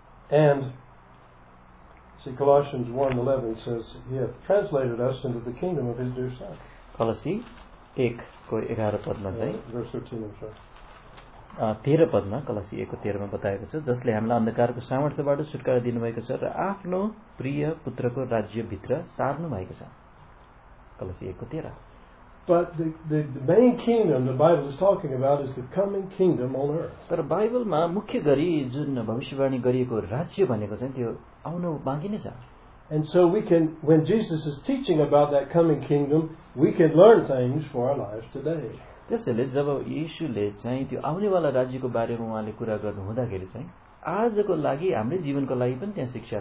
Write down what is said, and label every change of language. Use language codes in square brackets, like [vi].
[en] And see, Colossians 1:11 says, He hath translated us into the kingdom of His dear Son. [ne] कलसी 1 को 11 पदमा चाहिँ [en] Verse 13 and 14. [ne] 13 पदमा कलसी 1 को 13 मा बताएको छ जसले हामीलाई अन्धकारको सामर्थ्यबाट छुटकारा दिनुभएको छ र आफ्नो प्रिय पुत्रको राज्यभित्र सार्नु भएको छ कलसी 1 को 13 [en] But the main kingdom the Bible is talking about is the coming kingdom on earth [ne] तर बाइबलमा मुख्य गरी जुन भविष्यवाणी गरिएको राज्य भनेको चाहिँ त्यो आउनु बाँकी नै छ [en] And so we can, when Jesus is teaching about that coming kingdom, we can learn things for our lives today. [ne] त्यसैले जब यीशुले चाहिँ त्यो आउनेवाला राज्यको बारेमा उहाँले कुरा गर्नु हुँदाखेरि चाहिँ आजको लागि हाम्रो जीवनको लागि पनि त्यहाँ शिक्षा